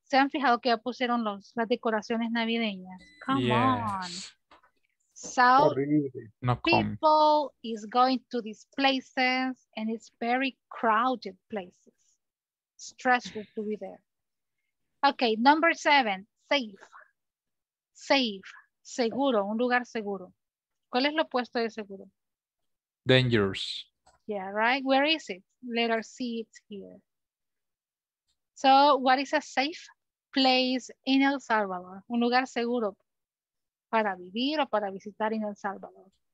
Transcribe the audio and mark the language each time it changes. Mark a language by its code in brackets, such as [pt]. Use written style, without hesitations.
[es] ¿Se han fijado que ya pusieron las decoraciones navideñas? [en] Come on. So people is going to these places and it's very crowded places. Stressful to be there. Okay, number seven, safe. [es] Safe, seguro, un lugar seguro. ¿Cuál es lo opuesto de seguro? [en] Dangerous. Yeah, right, where is it? Letter C, it's here. So what is a safe place in El Salvador? [es] Un lugar seguro. Para vivir o para visitar en El Salvador.